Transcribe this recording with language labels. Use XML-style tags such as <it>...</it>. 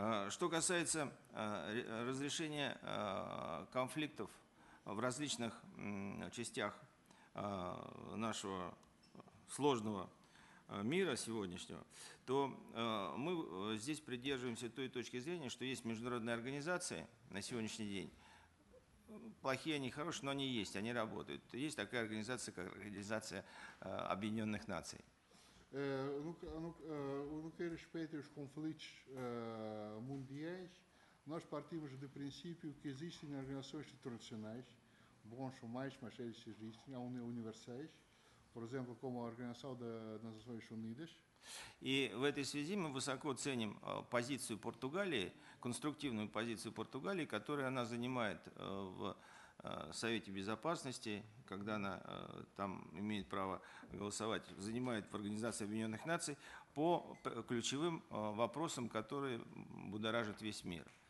<ru>Что касается разрешения конфликтов в различных частях нашего сложного мира сегодняшнего, то мы здесь придерживаемся той точки зрения, что есть международные организации на сегодняшний день. Плохие они, хорошие, но они есть, они работают. Есть такая организация, как Организация Объединенных Наций.</ru> <pt>No que respeita aos conflitos mundiais, nós partimos do princípio que existem organizações internacionais, bons ou mais, mas eles existem, há universais, por exemplo, como a Organização das Nações Unidas. E,</pt> <ru>в этой связи, мы высоко ценим позицию Португалии, конструктивную позицию Португалии, которую она занимает в Совете Безопасности, когда она там имеет право голосовать, занимает в Организации Объединенных Наций по ключевым вопросам, которые будоражат весь мир.</ru>